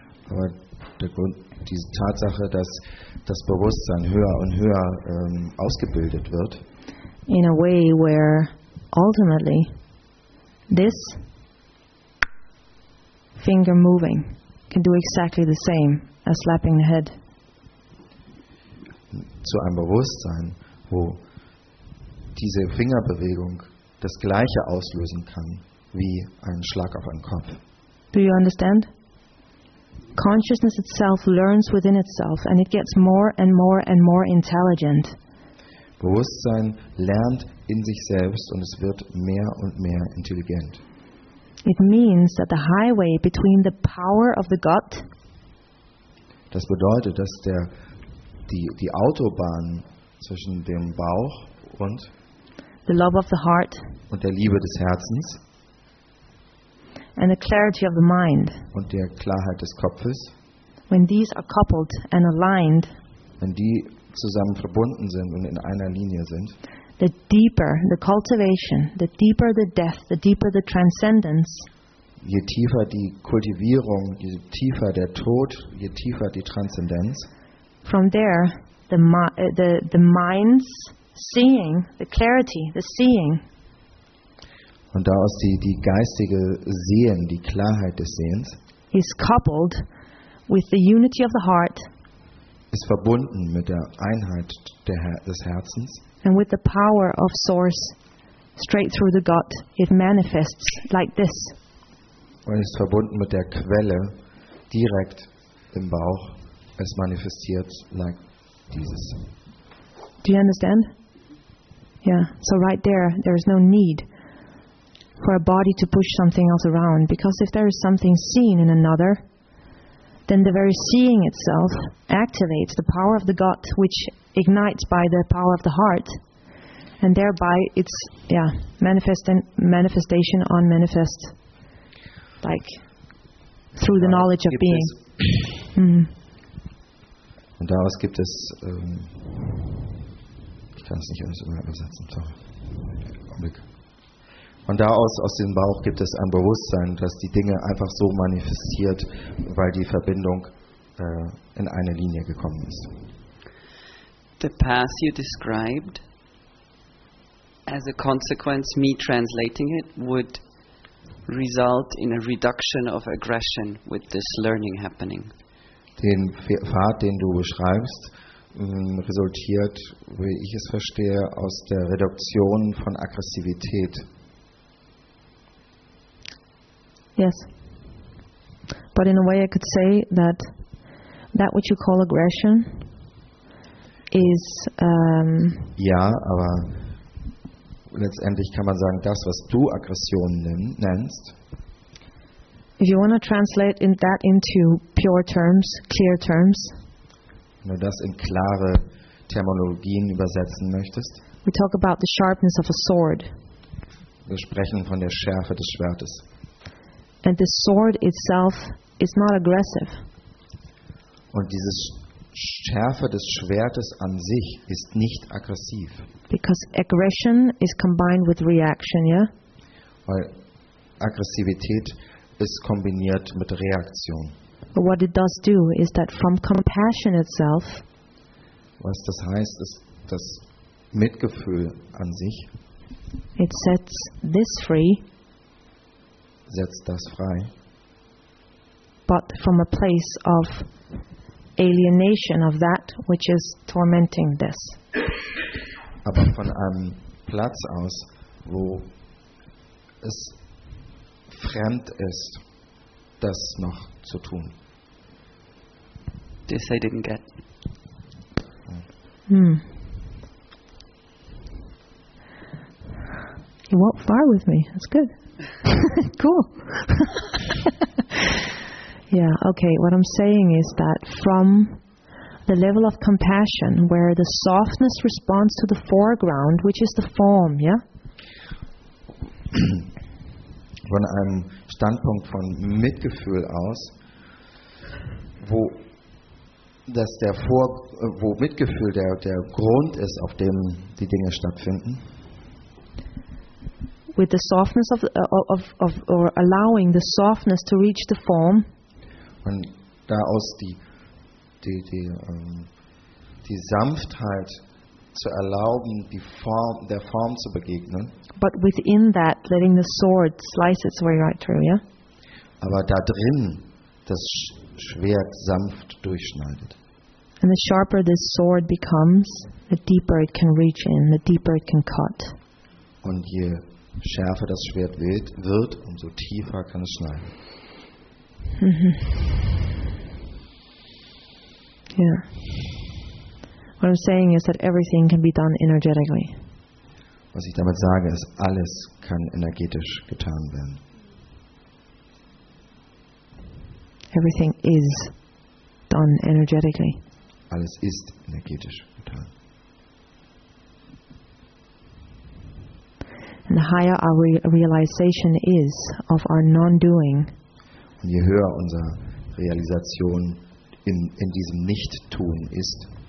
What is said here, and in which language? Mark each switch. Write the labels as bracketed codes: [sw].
[de] Aber der Grund, diese Tatsache, dass das Bewusstsein höher und höher ausgebildet wird, [en] in a way where ultimately this finger moving can do exactly the same as slapping the head. [de] Zu einem Bewusstsein, wo diese Fingerbewegung das Gleiche auslösen kann wie ein Schlag auf einen Kopf. [en] Do you understand? Consciousness itself learns within itself and it gets more and more and more intelligent. [de] Bewusstsein lernt in sich selbst und es wird mehr und mehr intelligent. [en] It means that the highway between the power of the gut. [de] Das bedeutet, dass der die Autobahn zwischen dem Bauch und [en] the love of the heart [de] und der Liebe des Herzens [en] and the clarity of the mind [de] und der Klarheit des Kopfes, [en] when these are coupled and aligned, [de] wenn die zusammen verbunden sind und in einer Linie sind, [en] the deeper the cultivation, the deeper the death, the deeper the transcendence. [de] Je tiefer die Kultivierung, je tiefer der Tod, je tiefer die Transzendenz. [en] From there, the mind's seeing, the clarity, the seeing. [de] Und daraus die geistige Sehen, die Klarheit des Sehens. [en] Is coupled with the unity of the heart. [de] Ist verbunden mit der Einheit des Herzens. [en] And with the power of source, straight through the gut, it manifests like this. [de] Und ist verbunden mit der Quelle direkt im Bauch. Es manifestiert like dieses. [en] Do you understand? Yeah. So right there, there is no need for a body to push something else around, because if there is something seen in another, then the very seeing itself activates the power of the gut, which ignites by the power of the heart, and thereby it's manifestation on manifest, like through the knowledge of being. [de] Und daraus gibt es, ich kann es nicht alles übersetzen, sorry. Und daraus, aus dem Bauch, gibt es ein Bewusstsein, dass die Dinge einfach so manifestiert, weil die Verbindung in eine Linie gekommen ist. [en] The path you described as a consequence, me translating it would result in a reduction of aggression with this learning happening. [de] Den Pfad, den du beschreibst, resultiert, wie ich es verstehe, aus der Reduktion von Aggressivität. [en] Yes. But in a way I could say that that which you call aggression is [de] ja, aber letztendlich kann man sagen, das, was du Aggression nennst, [en] if you want to translate in that into pure terms, clear terms, [de] wenn du das in klare Terminologien übersetzen möchtest, [en] we talk about the sharpness of a sword. [de] Wir sprechen von der Schärfe des Schwertes. [en] And the sword itself is not aggressive. [de] Und diese Schärfe des Schwertes an sich ist nicht aggressiv. [en] Because aggression is combined with reaction, yeah? [de] Weil Aggressivität ist kombiniert mit Reaktion. [en] But what it does do is that from compassion itself, [de] was das heißt, ist das Mitgefühl an sich, [en] it sets this free, [de] setzt das frei. [en] But from a place of alienation of that which is tormenting this. [de] Aber von einem Platz aus, wo es fremd ist, das noch zu tun. [en] This I didn't get. You walked far with me. That's good. Cool. Yeah, okay. What I'm saying is that from the level of compassion where the softness responds to the foreground, which is the form, yeah? [de] Von einem Standpunkt von Mitgefühl aus, wo das der Vor, wo Mitgefühl der Grund ist, auf dem die Dinge stattfinden. [en] With the softness of or allowing the softness to reach the form. [de] Und daraus die Sanftheit zu erlauben, die Form, der Form zu begegnen. [en] But within that, letting the sword slice its way right through, yeah? [de] Aber da drin das Schwert sanft durchschneidet. [en] And the sharper this sword becomes, the deeper it can reach in, the deeper it can cut. [de] Und je schärfer das Schwert wird, umso tiefer kann es schneiden. [en] Yeah. What I'm saying is that everything can be done energetically. [de] Was ich damit sage, ist, alles kann energetisch getan werden. [en] Everything is done energetically. [de] Alles ist energetisch getan. [en] And the higher our realization is of our non-doing. [de] Und je höher unsere Realisation in diesem Nicht-Tun ist,